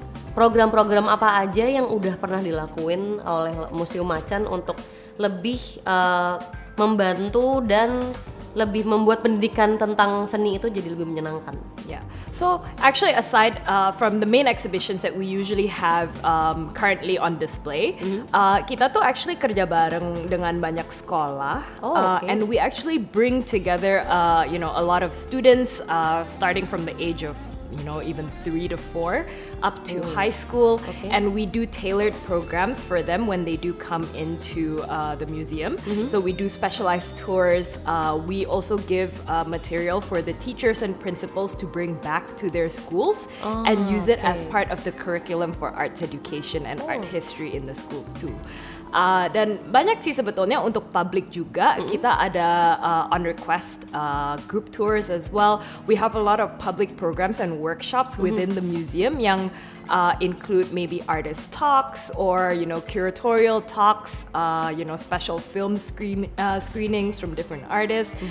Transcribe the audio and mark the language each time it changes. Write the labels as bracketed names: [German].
[Indonesian] Program-program apa aja yang udah pernah dilakuin oleh Museum Macan untuk lebih membantu dan lebih membuat pendidikan tentang seni itu jadi lebih menyenangkan? [English] So actually aside from the main exhibitions that we usually have currently on display, [Indonesian] kita tuh actually kerja bareng dengan banyak sekolah. [English] And we actually bring together a lot of students starting from the age of even 3 to 4 up to high school. And we do tailored programs for them when they do come into the museum. So we do specialized tours. We also give material for the teachers and principals to bring back to their schools and use it as part of the curriculum for arts education and art history in the schools too. [Indonesian] Dan banyak sih sebetulnya untuk publik juga. Kita ada [English] on request group tours as well. We have a lot of public programs and workshops within the museum yang include maybe artist talks or curatorial talks, special film screenings from different artists.